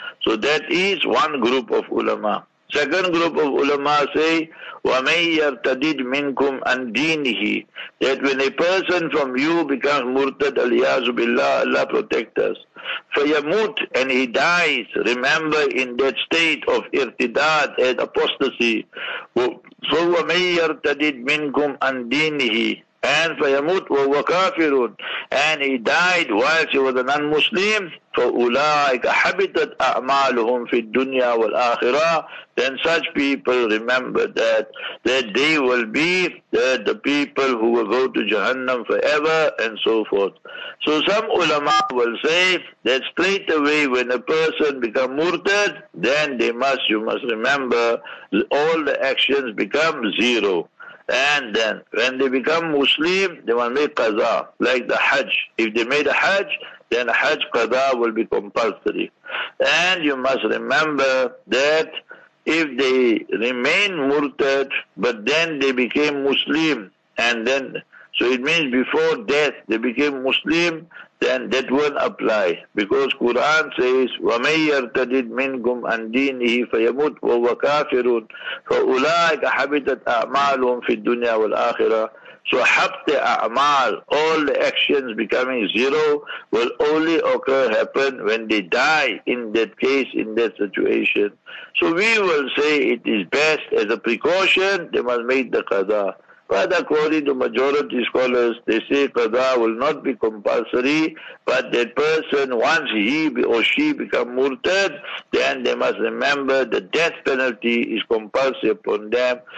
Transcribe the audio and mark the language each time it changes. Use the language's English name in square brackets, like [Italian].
[English] So that is one group of ulama. Second group of ulama say, [Arabic] وَمَنْ يَرْتَدِدْ مِنْكُمْ أَنْ دِينِهِ. [English] That when a person from you becomes murtad, [Arabic] عَلْيَازُ بِاللَّهِ, [English] Allah protect us. [Arabic] فَيَمُوتْ, [English] and he dies, remember, in that state of irtidad and apostasy. [Arabic] So وَمَنْ يَرْتَدِدْ مِنْكُمْ أَنْ دِينِهِ. And فَيَمُوتْ وَهُوَ كَافِرٌ. [English] And he died whilst he was a non-Muslim. [Arabic] فَأُولَٰئِكَ حَبِطَتْ أَعْمَالُهُمْ فِي الدُّنْيَا وَالْآخِرَةِ. [English] Then such people remember that they will be the people who will go to Jahannam forever and so forth. So some ulama will say that straight away when a person become murtad, then you must remember all the actions become zero. And then, when they become Muslim, they will make qaza, like the Hajj. If they made a Hajj, then Hajj qaza will be compulsory. And you must remember that if they remain murtad, but then they became Muslim, and then, so it means before death they became Muslim, then that won't apply. Because Quran says, [Arabic] وَمَنْ يَرْتَدِدْ مِنْكُمْ أَنْ دِينِهِ فَيَمُوتْ وَهُوَ كَافِرٌ فَأُولَٰئِكَ حَبِطَتْ أَعْمَالُهُمْ فِي الدُّنْيَا وَالْآخِرَةِ. [English] So [Arabic] حَبْتِ أَعْمَال, [English] all the actions becoming zero, will only happen when they die in that case, in that situation. So we will say it is best as a precaution, they must make the qada. But according to majority scholars, they say qada will not be compulsory, but that person, once he or she become murtad, then they must remember the death penalty is compulsory upon them.